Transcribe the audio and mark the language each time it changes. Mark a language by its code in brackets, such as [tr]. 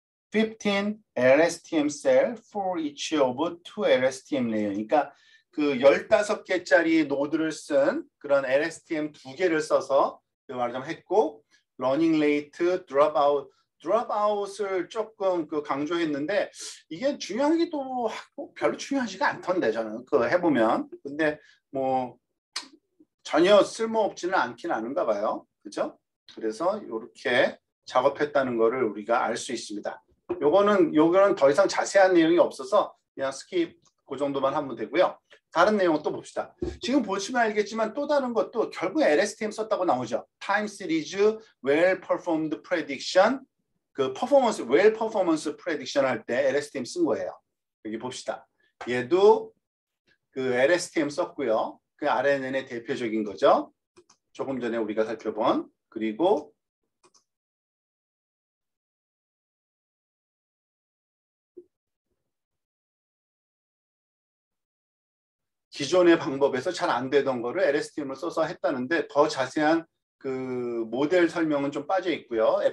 [en] 15 LSTM cell for each of two LSTM layer. [ko] 그러니까 그 15개짜리 노드를 쓴 그런 LSTM 두 개를 써서 그 말을 좀 했고, running late, dropout을 조금 그 강조했는데 이게 중요하기도 하고 별로 중요하지가 않던데 저는 그 해보면. 근데 뭐 전혀 쓸모없지는 않긴 않은가 봐요. 그죠? 그래서 이렇게 작업했다는 거를 우리가 알수 있습니다. 요거는 더 이상 자세한 내용이 없어서 그냥 스킵 그 정도만 하면 되고요. 다른 내용은 또 봅시다. 지금 보시면 알겠지만 또 다른 것도 결국 LSTM 썼다고 나오죠. [en] Time series well performed prediction. [ko] 그 퍼포먼스 well performance prediction 할때 LSTM 쓴 거예요. 여기 봅시다. 얘도 그 LSTM 썼고요. 그 RNN의 대표적인 거죠. 조금 전에 우리가 살펴본. 그리고 기존의 방법에서 잘안 되던 거를 LSTM을 써서 했다는데 더 자세한 그 모델 설명은 좀 빠져 있고요.